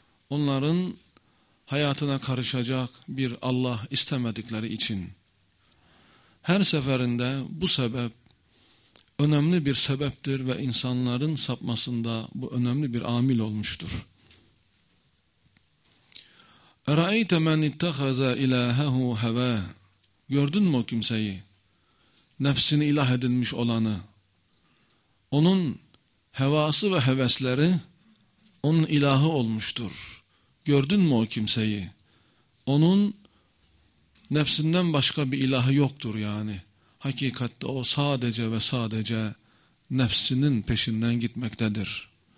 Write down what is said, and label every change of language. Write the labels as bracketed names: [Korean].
[Turkish] Onların hayatına karışacak bir Allah istemedikleri için. Her seferinde bu sebep önemli bir sebeptir ve insanların sapmasında bu önemli bir amil olmuştur. [Arabic] اَرَأَيْتَ مَنْ اِتَّخَذَ اِلَٰهَهُ هَوَى [Turkish] Gördün mü o kimseyi? Nefsini ilah edinmiş olanı. Onun hevası ve hevesleri onun ilahı olmuştur. Gördün mü o kimseyi? Onun nefsinden başka bir ilahı yoktur yani. Hakikatte o sadece ve sadece nefsinin peşinden gitmektedir.